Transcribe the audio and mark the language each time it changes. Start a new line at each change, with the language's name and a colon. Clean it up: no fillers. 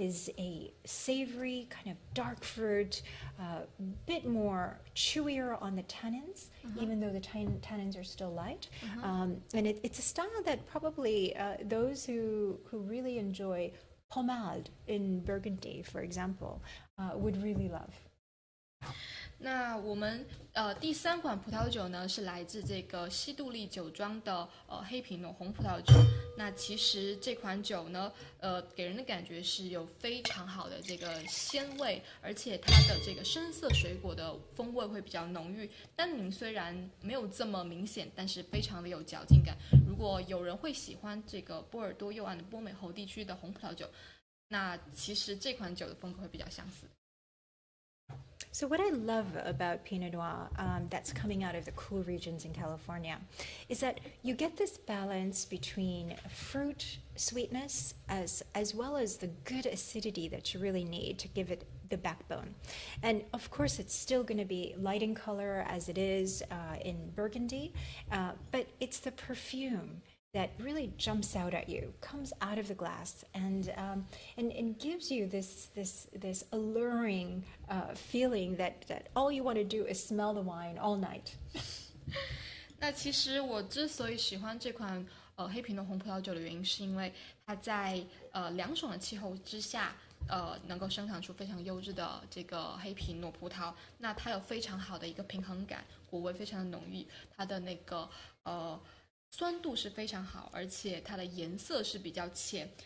English: is a savory, kind of dark fruit, bit more chewier on the tannins, mm-hmm. even though the tannins are still light. Mm-hmm. And it's a style that probably those who really enjoy Pomade in Burgundy, for example, would really love.
Chinese: 那我们第三款葡萄酒呢，是来自这个西杜利酒庄的黑皮诺红葡萄酒。那其实这款酒呢，给人的感觉是有非常好的这个鲜味，而且它的这个深色水果的风味会比较浓郁，单宁虽然没有这么明显，但是非常的有嚼劲感。如果有人会喜欢这个波尔多右岸的波美侯地区的红葡萄酒，那其实这款酒的风格会比较相似。
English: So what I love about Pinot Noir that's coming out of the cool regions in California is that you get this balance between fruit sweetness as well as the good acidity that you really need to give it the backbone. And of course, it's still going to be light in color as it is in Burgundy, but it's the perfume that really jumps out at you, comes out of the glass, and gives you this alluring feeling that all you want to do is smell the wine all night.
Chinese: 那其实我之所以喜欢这款黑皮诺红葡萄酒的原因，是因为它在凉爽的气候之下，能够生产出非常优质的这个黑皮诺葡萄。那它有非常好的一个平衡感，果味非常的浓郁，它的那个酸度是非常好，而且它的颜色是比较浅。